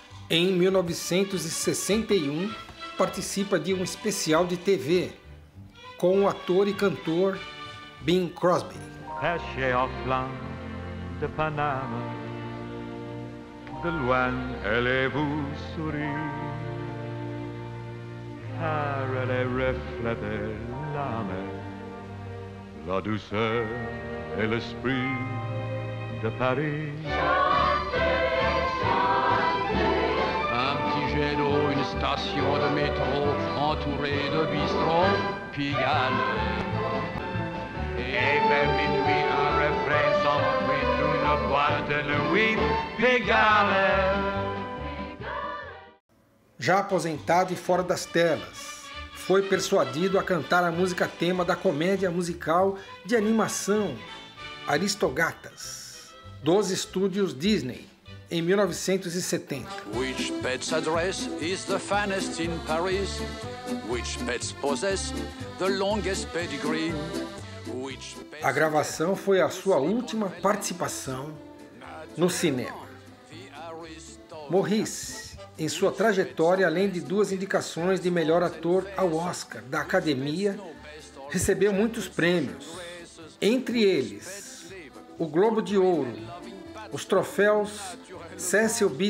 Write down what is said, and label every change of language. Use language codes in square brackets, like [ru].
[pt] Em 1961, participa de um especial de TV com o ator e cantor Bing Crosby. [fr] Pêche au flanc de Panama, de loin elle vous sourit, car elle reflète la mer, la douceur et l'esprit de Paris. Une station de métro entourée de bistrots, Pigalle. Et vers minuit, un refrain s'enfuit d'une boîte de nuit, Pigalle. [pt] já aposentado e fora das telas, foi persuadido a cantar a música tema da comédia musical de animação Aristogatas, dos estúdios Disney, em 1970. [en] Which pet's address is the finest in Paris? Which pet's possess the longest pedigree? [pt] A gravação foi a sua última participação no cinema. Morrisse, em sua trajetória, além de duas indicações de melhor ator ao Oscar da Academia, recebeu muitos prêmios, entre eles o Globo de Ouro, os troféus Cecil B.